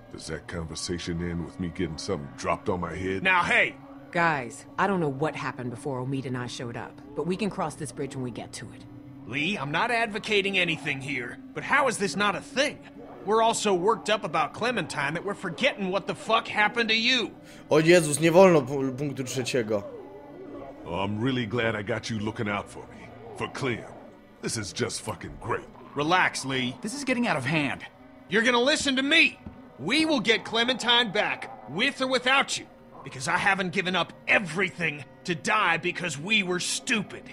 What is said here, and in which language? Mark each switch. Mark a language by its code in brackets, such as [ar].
[en] Does that conversation end with me getting something dropped on my head? Now, hey! Guys, I don't know what happened before Omid and I showed up, but we can cross this bridge when we get to it. Lee, I'm not advocating anything here, but how is this not a thing? We're all so worked up about Clementine that we're forgetting what the fuck happened to you. [pl] O Jezus, nie wolno punktu trzeciego. [en] Oh, I'm really glad I got you looking out for me. For Clem. This is just fucking great. Relax, Lee. This is getting out of hand. You're gonna listen to me. We will get Clementine back, with or without you. Because I haven't given up everything to die because we were stupid.